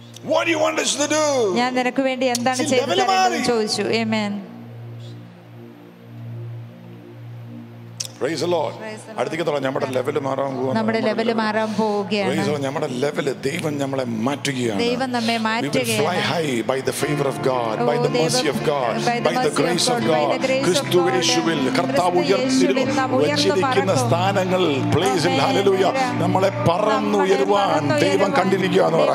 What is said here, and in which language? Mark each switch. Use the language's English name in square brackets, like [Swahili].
[English] What do you want us to do? [Malayalam] ഞാൻ നിനക്ക് വേണ്ടി എന്താണ് ചെയ്യേണ്ടതെന്ന് ചോദിച്ചു. ആമേൻ. [English] Praise the Lord. [Malayalam] അടുത്തേക്ക് തുടങ്ങ, നമ്മുടെ ലെവൽ മാറാൻ പോകുകയാണ്. [English] Praise the Lord. [Malayalam] നമ്മുടെ ലെവൽ, ദൈവം നമ്മളെ മാറ്റുകയാണ്. ദൈവം നമ്മെ മാറ്റുകയാണ്. [English] We will fly high by the favor of God, by the mercy of God, by the grace of God. [Malayalam] ക്രിസ്തു യേശുവിൽ കർത്താവ് ഉയർത്തിരുന്നു വെച്ചിരിക്കുന്ന സ്ഥാനങ്ങൾ. [English] Praise the Lord. Hallelujah. [Malayalam] നമ്മളെ പറന്നുയരുവാൻ ദൈവം കണ്ടിരിക്കുകയാണ്.